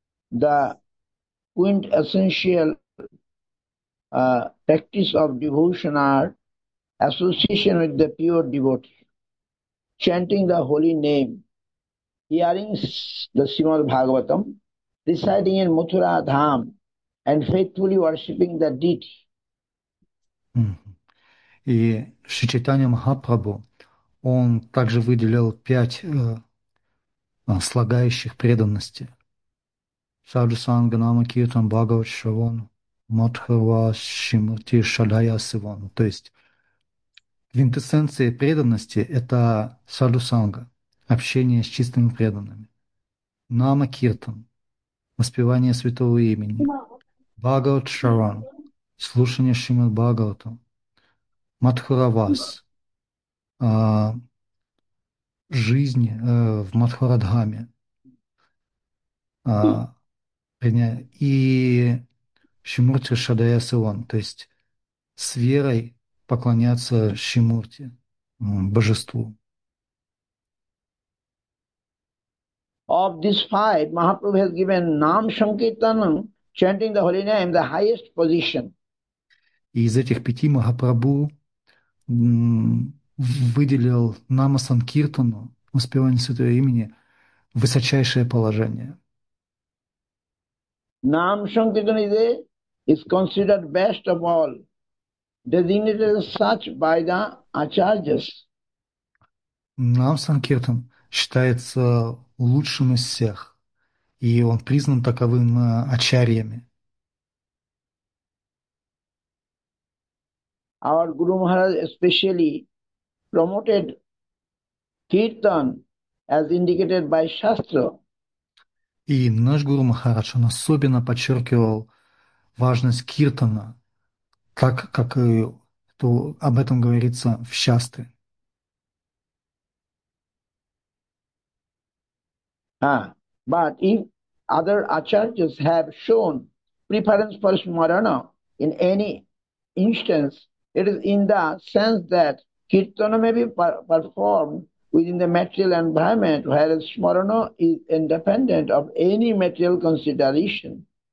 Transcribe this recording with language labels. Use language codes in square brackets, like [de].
[en] The quintessential practice of devotion are association with the pure devotee, chanting the holy name, hearing the Srimad Bhagavatam, residing in Mathura Dham and faithfully worshipping the deity. [ru] И Шри Чайтанья Махапрабху, он также выделил 5 слагающих преданности. [sa] Саджусанга Нама Киртан Бхагават Шравон Матхава Шимати Шадая Сивон. [ru] То есть квинтэссенция преданности – это саджусанга, общение с чистыми преданными. Нама Киртан – воспевание святого имени. Бхагават Шравон – слушание Шримад-Бхагаватам. Матхуравас, жизнь в Матхурадхаме. И Шимурти Шадаясаван, то есть с верой поклоняться Шимурти, божеству. [en] Of these five, Mahaprabhu has given Nam Sankirtanam, chanting the holy name, the highest position. [ru] И из этих пяти Махапрабху выделил Нама Санкиртану, воспевание святого имени, высочайшее положение. [en] Nam Sankirtan is considered best of all, designated as such by the acharyas. [ru] Нам Санкиртан считается лучшим из всех, и он признан таковым ачарьями. [en] Our Guru Maharaj especially promoted Kirtan as indicated by Shastra. [ru] И наш Гуру Махарадж, он особенно подчеркивал важность Киртана, так как и то, об этом говорится в Шастре. [en] But if other acharyas have shown preference for smarana in any instance, it is in the sense that kirtana may be performed within the material environment, whereas smarana is independent of any material consideration.